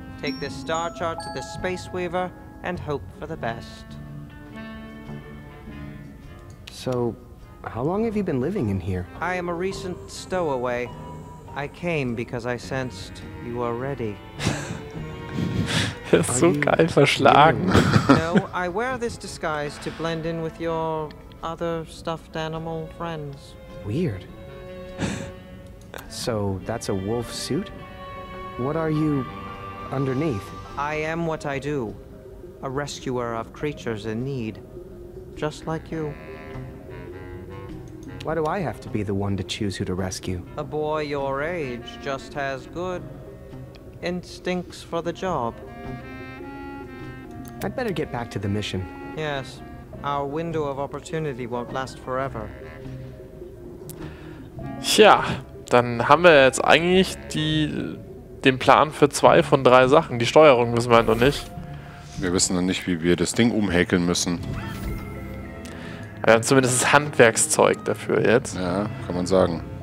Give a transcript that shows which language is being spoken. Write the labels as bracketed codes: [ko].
[en] Take this star chart to the Space Weaver and hope for the best. So, how long have you been living in here? I am a recent stowaway. I came because I sensed you were ready. [de] Das ist so geil verschlagen. [en] No, I wear this disguise to blend in with your other stuffed animal friends. Weird. So, that's a wolf suit? What are you underneath? I am what I do. A rescuer of creatures in need. Just like you. Why do I have to be the one to choose who to rescue? A boy your age just has good instincts for the job. I'd better get back to the mission. Yes, our window of opportunity won't last forever. [de] Tja, dann haben wir jetzt eigentlich den Plan für zwei von drei Sachen. Die Steuerung wissen wir noch nicht. Wir wissen noch nicht, wie wir das Ding umhäkeln müssen. Wir haben zumindest das Handwerkszeug dafür jetzt. Ja, kann man sagen.